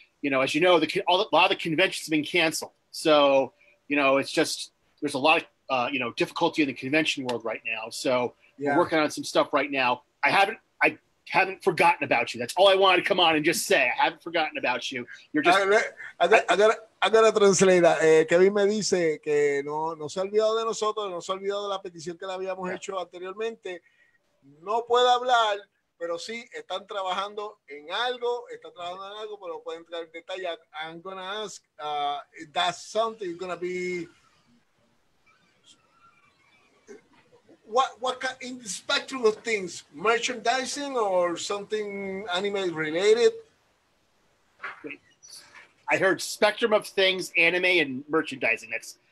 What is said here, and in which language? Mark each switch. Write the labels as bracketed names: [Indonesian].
[English] You know, as you know, a lot of the conventions have been canceled. So, you know, it's just, there's a lot of, you know, difficulty in the convention world right now. So we're working on some stuff right now. I haven't forgotten about you. That's all I wanted to come on and just say. I haven't forgotten about you. You're just... I gotta translate that. [Spanish] Kevin me dice que no se ha olvidado de nosotros, no se ha olvidado de la petición que le habíamos hecho anteriormente. No puede hablar, pero sí, están trabajando en algo, pero pueden entrar en detalle. [English] I'm gonna ask, that's something you're gonna be... What kind, in the spectrum of things, merchandising or something anime related? I heard spectrum of things, anime and merchandising. That's